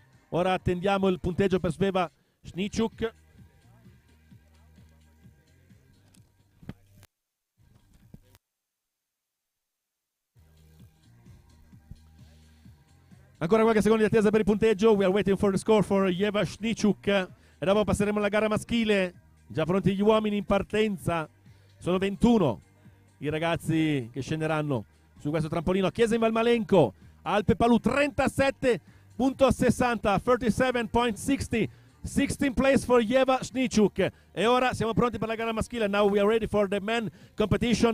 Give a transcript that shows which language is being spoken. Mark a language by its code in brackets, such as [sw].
[it] Ora attendiamo il punteggio per Sveva Snichuk. Ancora qualche secondo di attesa per il punteggio. [en] We are waiting for the score for Yeva Shnichuk. [it] E dopo passeremo alla gara maschile. Già pronti gli uomini in partenza. Sono 21 i ragazzi che scenderanno su questo trampolino. Chiesa in Valmalenco. Alpe Palù 37.60. [en] 16th place for Yeva Shnichuk. [it] E ora siamo pronti per la gara maschile. [en] Now we are ready for the men competition.